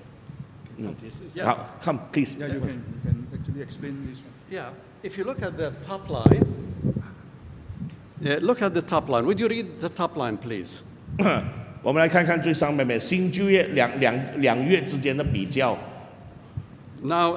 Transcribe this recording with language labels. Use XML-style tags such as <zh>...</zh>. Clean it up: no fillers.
<zh>列出来这个回答这个问题的，就是到底我们是不是要支持现在国籍或者种族上的以色列人成为上帝的子民啊？这个不是新约的教导，因为新约教导是耶稣基督已经把那个犹太人外邦人墙拆毁了，所以上帝的子民就是教会。好 ，</zh> <en>Come please. Yeah, you can actually explain this one. Yeah, if you look at the top line. Yeah, look at the top line. Would you read the top line, please?</en> <zh>我们来看看最上面新旧业两月之间的比较。Now</zh>